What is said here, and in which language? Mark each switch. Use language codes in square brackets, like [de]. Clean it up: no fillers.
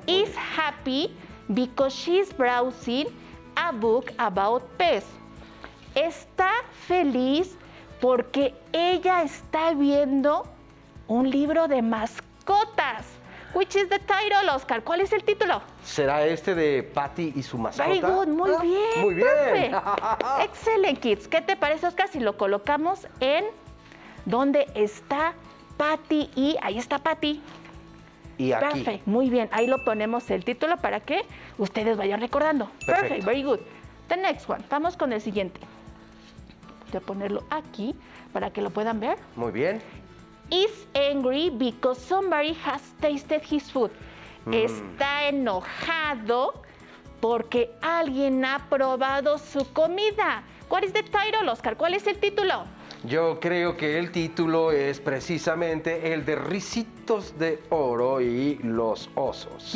[en] Is happy because she's browsing a book about pez. [es] Está feliz porque ella está viendo un libro de mascotas. [en] Which is the title, Oscar? [es] ¿Cuál es el título? Será este de Patty y su mascota. [en] Very good, [es] muy bien. Muy bien. [en] Excellent, kids. [es] ¿Qué te parece, Oscar, si lo colocamos en donde está Patty y ahí está Patty? Y aquí. Perfect, muy bien. Ahí lo ponemos el título para que ustedes vayan recordando. Perfecto. [en] Perfect, very good. The next one. [es] Vamos con el siguiente. Voy a ponerlo aquí para que lo puedan ver. Muy bien. [en] Is angry because somebody has tasted his food. [es] Está enojado porque alguien ha probado su comida. ¿Cuál es el título, Oscar? ¿Cuál es el título? Yo creo que el título es precisamente el de Ricitos de Oro y los osos.